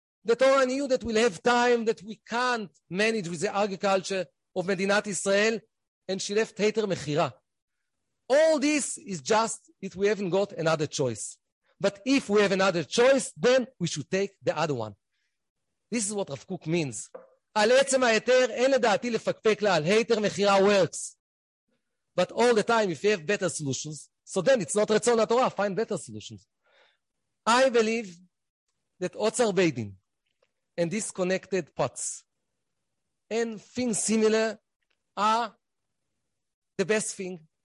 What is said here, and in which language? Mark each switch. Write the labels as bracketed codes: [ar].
[en] The Torah knew that we'll have time that we can't manage with the agriculture of Medinat Israel, and she left Heiter Mechira. All this is just if we haven't got another choice. But if we have another choice, then we should take the other one. This is what Rav Kook means. [he] על עצם היתר אין לדעתי לפקפק לה על היתר מחירה works. [en] But all the time, if you have better solutions, so then it's not [he] רצון התורה, [en] find better solutions. I believe that Otzar Beidin and disconnected pots and things similar are the best thing.